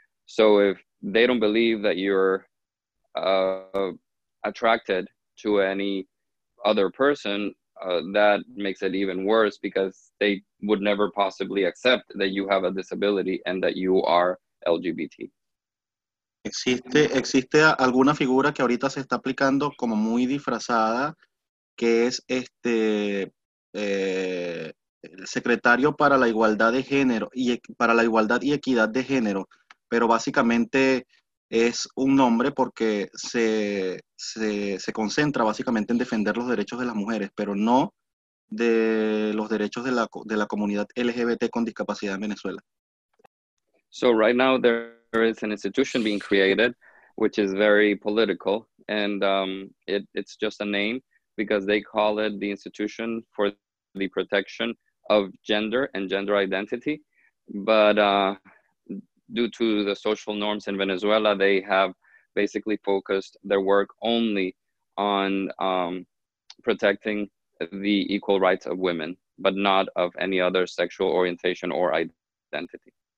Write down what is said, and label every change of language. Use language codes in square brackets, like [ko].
[en] So if they don't believe that you're attracted to any other person, that makes it even worse because they would never possibly accept that you have a disability and that you are LGBT. [es] Existe alguna figura que ahorita se está aplicando como muy disfrazada, que es el secretario para la igualdad de género y para la igualdad y equidad de género, pero básicamente es un nombre porque se concentra básicamente en defender los derechos de las mujeres, pero no de los derechos de la comunidad LGBT con discapacidad en Venezuela. [en] So right now there is an institution being created, which is very political, and it's just a name because they call it the Institution for the Protection of Gender and Gender Identity, but due to the social norms in Venezuela, they have basically focused their work only on protecting the equal rights of women, but not of any other sexual orientation or identity.